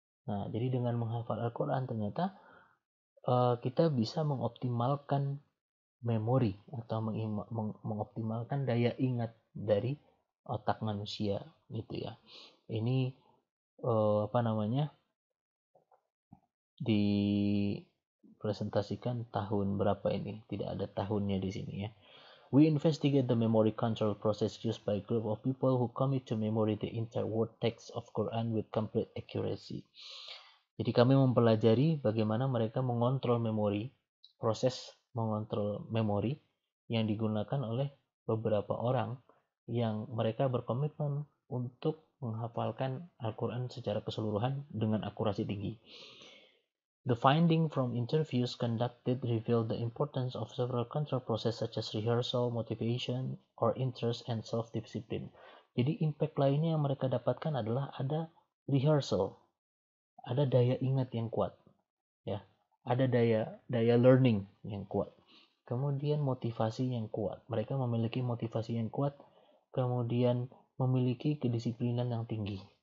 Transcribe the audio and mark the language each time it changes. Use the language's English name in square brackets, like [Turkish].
[Indonesian] Nah, jadi dengan menghafal Al-Quran ternyata kita bisa mengoptimalkan memori atau mengoptimalkan daya ingat dari otak manusia gitu ya. Ini apa namanya? Dipresentasikan tahun berapa ini? Tidak ada tahunnya di sini ya. [English] We investigate the memory control process used by a group of people who commit to memory the entire word text of Quran with complete accuracy. [Indonesian] Jadi kami mempelajari bagaimana mereka mengontrol memori, proses mengontrol memori yang digunakan oleh beberapa orang yang mereka berkomitmen untuk menghafalkan Al-Quran secara keseluruhan dengan akurasi tinggi. [English] The finding from interviews conducted revealed the importance of several control processes such as rehearsal, motivation, or interest, and self-discipline. [Indonesian] Jadi impact lainnya yang mereka dapatkan adalah ada rehearsal, ada daya ingat yang kuat, ya, ada daya daya learning yang kuat, kemudian motivasi yang kuat. Mereka memiliki motivasi yang kuat, kemudian memiliki kedisiplinan yang tinggi.